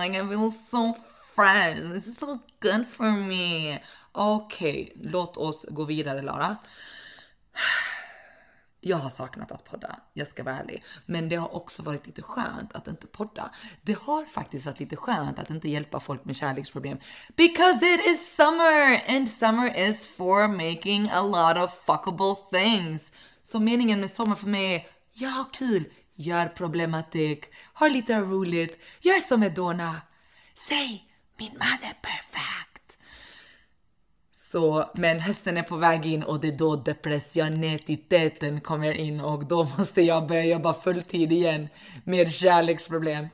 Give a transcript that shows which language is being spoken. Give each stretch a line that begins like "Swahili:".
English: Like, I feel so fresh. This is so good for me.
Swedish: Okej, låt oss gå vidare, Lara. Jag har saknat att podda, jag ska vara ärlig. Men det har också varit lite skönt att inte podda. Det har faktiskt varit lite skönt att inte hjälpa folk med kärleksproblem.
English: Because it is summer! And summer is for making a lot of fuckable things.
Swedish: Så meningen med sommar för mig är, jag har kul, gör problematik, har lite roligt, gör som Madonna. Säg, min man är perfekt. Så, men hösten är på väg in och det är då depressioniteten kommer in och då måste jag börja jobba fulltid igen med kärleksproblem.